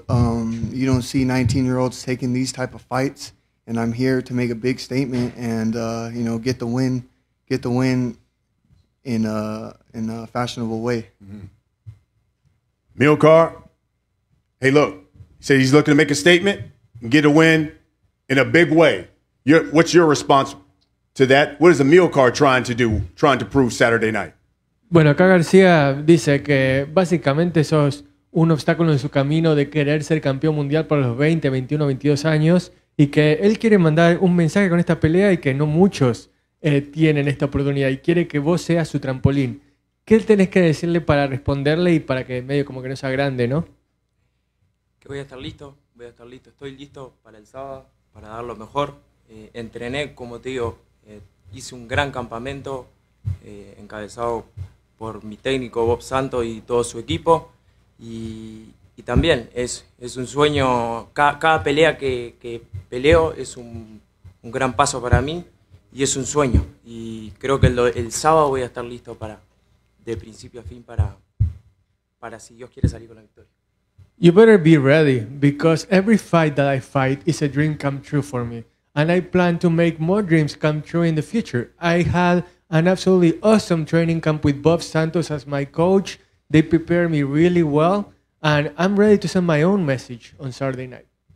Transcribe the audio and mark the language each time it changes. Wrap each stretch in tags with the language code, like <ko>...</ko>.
<en>You don't see 19-year-olds taking these type of fights, and I'm here to make a big statement and you know, get the win in a fashionable way. Amilcar, mm-hmm. Hey, look, he said he's looking to make a statement and get a win in a big way. What's your response to that? What is Amilcar trying to prove Saturday night?</en> <es>Bueno, acá García dice que básicamente sos un obstáculo en su camino de querer ser campeón mundial para los 20, 21, 22 años y que él quiere mandar un mensaje con esta pelea y que no muchos tienen esta oportunidad y quiere que vos seas su trampolín. ¿Qué tenés que decirle para responderle y para que medio como que no sea grande, no? Que voy a estar listo, estoy listo para el sábado, para dar lo mejor. Entrené, como te digo, hice un gran campamento encabezado por mi técnico Bob Santo y todo su equipo. Y también es un sueño, cada pelea que peleo es un gran paso para mí y es un sueño. Y creo que el sábado voy a estar listo para, de principio a fin, para si Dios quiere salir con la victoria.</es> <en>You better be ready, because every fight that I fight is a dream come true for me. And I plan to make more dreams come true in the future. I had an absolutely awesome training camp with Bob Santos as my coach. They prepared me really well. And I'm ready to send my own message on Saturday night.</en>